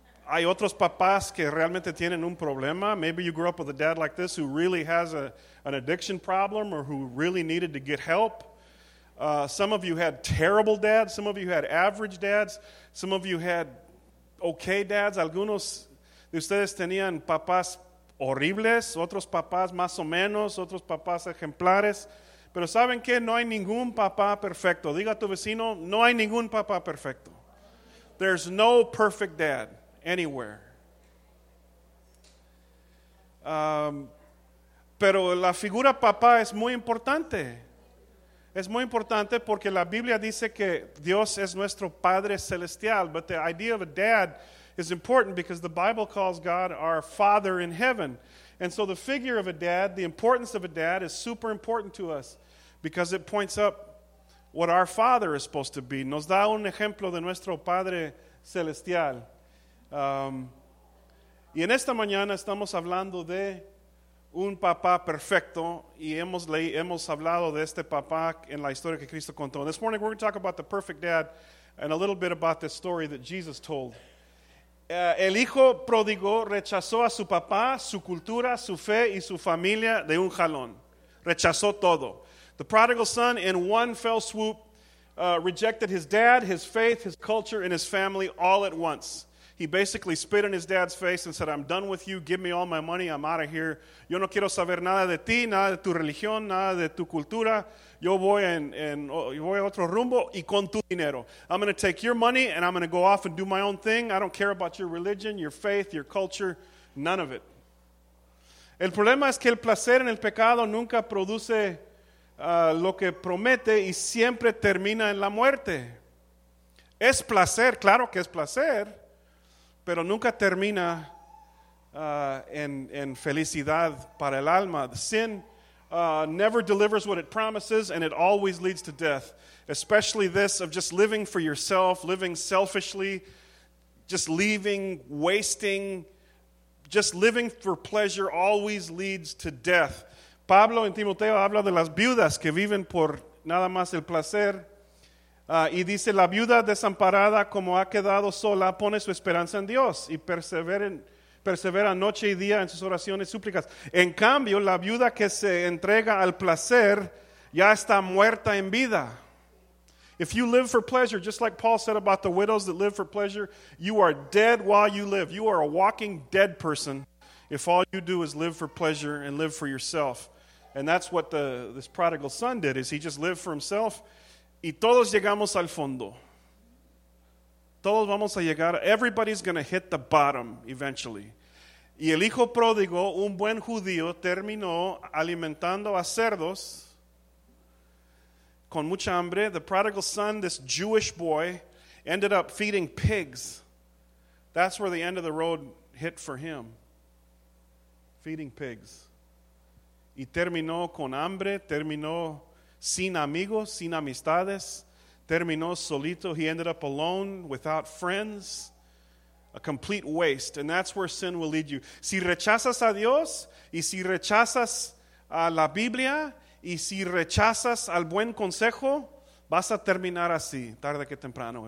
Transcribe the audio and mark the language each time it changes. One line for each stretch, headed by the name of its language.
Spanish: Hay otros papás que realmente tienen un problema.
English: Maybe you grew up with a dad like this who really has an addiction problem or who really needed to get help. Some of you had terrible dads. Some of you had average dads. Some of you had okay dads.
Spanish: Algunos de ustedes tenían papás horribles, otros papás más o menos, otros papás ejemplares. Pero ¿saben qué? No hay ningún papá perfecto. Diga a tu vecino, no hay ningún papá perfecto.
English: There's no perfect dad anywhere.
Spanish: Pero la figura papá es muy importante. Es muy importante porque la Biblia dice que Dios es nuestro Padre Celestial.
English: But the idea of a dad is important because the Bible calls God our Father in heaven. And so the figure of a dad, the importance of a dad, is super important to us because it points up what our Father is supposed to be.
Spanish: Nos da un ejemplo de nuestro Padre Celestial. Y en esta mañana estamos hablando de un papá perfecto, y hemos hablado de este papá en la historia que Cristo contó.
English: This morning we're going to talk about the perfect dad and a little bit about the story that Jesus told.
Spanish: El hijo pródigo rechazó a su papá, su cultura, su fe y su familia de un jalón. Rechazó todo.
English: The prodigal son in one fell swoop rejected his dad, his faith, his culture, and his family all at once. He basically spit in his dad's face and said, I'm done with you. Give me all my money. I'm out of here.
Spanish: Yo no quiero saber nada de ti, nada de tu religión, nada de tu cultura. Yo voy voy a otro rumbo y con tu dinero.
English: I'm going to take your money and I'm going to go off and do my own thing. I don't care about your religion, your faith, your culture, none of it.
Spanish: El problema es que el placer en el pecado nunca produce lo que promete y siempre termina en la muerte. Es placer, claro que es placer, pero nunca termina en felicidad para el alma.
English: Sin never delivers what it promises, and it always leads to death, especially this of just living for yourself, living selfishly, just leaving, wasting, just living for pleasure always leads to death.
Spanish: Pablo en Timoteo habla de las viudas que viven por nada más el placer. Y dice, la viuda desamparada como ha quedado sola pone su esperanza en Dios y persevera noche y día en sus oraciones y súplicas. En cambio, la viuda que se entrega al placer ya está muerta en vida.
English: If you live for pleasure, just like Paul said about the widows that live for pleasure, you are dead while you live. You are a walking dead person if all you do is live for pleasure and live for yourself. And that's what this prodigal son did, is he just lived for himself.
Spanish: Y todos llegamos al fondo. Todos vamos a llegar.
English: Everybody's going to hit the bottom eventually.
Spanish: Y el hijo pródigo, un buen judío, terminó alimentando a cerdos con mucha hambre.
English: The prodigal son, this Jewish boy, ended up feeding pigs. That's where the end of the road hit for him. Feeding pigs.
Spanish: Y terminó con hambre, terminó sin amigos, sin amistades, terminó solito.
English: He ended up alone, without friends, a complete waste. And that's where sin will lead you.
Spanish: Si rechazas a Dios, y si rechazas a la Biblia, y si rechazas al buen consejo, vas a terminar así, tarde que temprano.